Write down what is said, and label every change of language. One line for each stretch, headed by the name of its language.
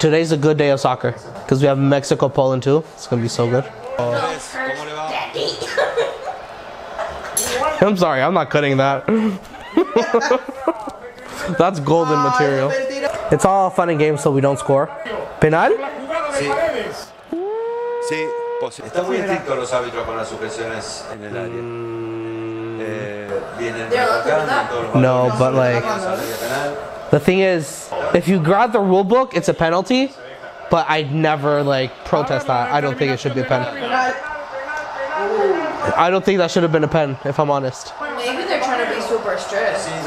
English: Today's a good day of soccer because we have Mexico, Poland too. It's gonna be so good. I'm sorry, I'm not cutting that. That's golden material. It's all fun and games, so we don't score.
Spanish: Penal? Sí. Sí. Está muy estricto los árbitros con las sujeciones en el área. Vienen atacando todos los balones.
English: No, but like, the thing is, if you grab the rule book, it's a penalty, but I'd never like protest that. I don't think it should be a pen. I don't think that should have been a pen, if I'm honest. Maybe they're trying to be super strict.